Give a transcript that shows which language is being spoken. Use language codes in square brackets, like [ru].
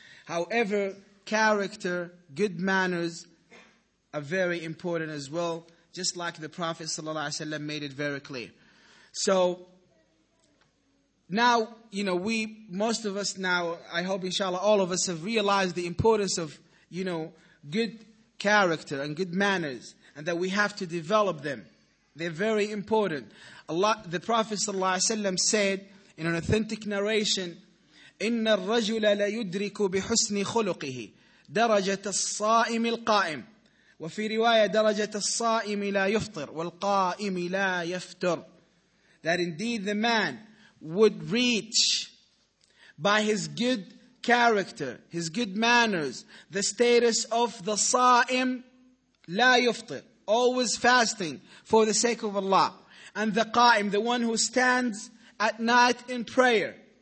[en] However, character, good manners are very important as well, just like the Prophet ﷺ made it very clear. So now, you know, we, most of us now, I hope inshallah, all of us have realized the importance of, you know, good character and good manners, and that we have to develop them. They're very important. The Prophet ﷺ said in an authentic narration, [ar] إِنَّ الرَّجُلَ لَيُدْرِكُ بِحُسْنِ خُلُقِهِ دَرَجَةَ الصَّائِمِ الْقَائِمِ وفي رواية درجة الصائم لا يفطر والقائم لا يفطر. [en] That indeed the man would reach by his good character, his good manners, the status of the [ar] صائم لا يفطر, [en] always fasting for the sake of Allah, and the قائم, the one who stands at night in prayer.